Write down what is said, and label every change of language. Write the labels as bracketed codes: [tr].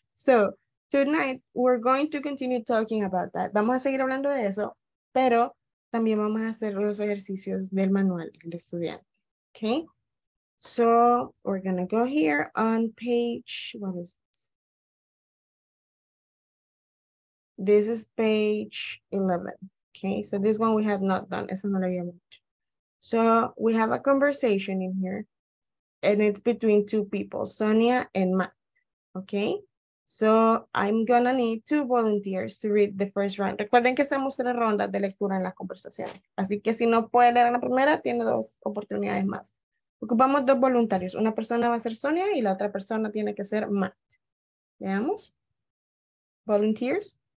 [en] So, tonight, we're going to continue talking about that. [es] Vamos a seguir hablando de eso, pero también vamos a hacer los ejercicios del manual del estudiante. [en] Okay? So, we're going to go here on page, what is this? This is page 11. Okay, so this one we have not done. [es] Eso no lo había hecho. [en] So we have a conversation in here and it's between two people, Sonia and Matt. Okay, so I'm gonna need two volunteers to read the first round. [es] Recuerden que hacemos tres rondas de lectura en la conversación. Así que si no puede leer la primera, tiene dos oportunidades más. Ocupamos dos voluntarios. Una persona va a ser Sonia y la otra persona tiene que ser Matt. Veamos. Volunteers.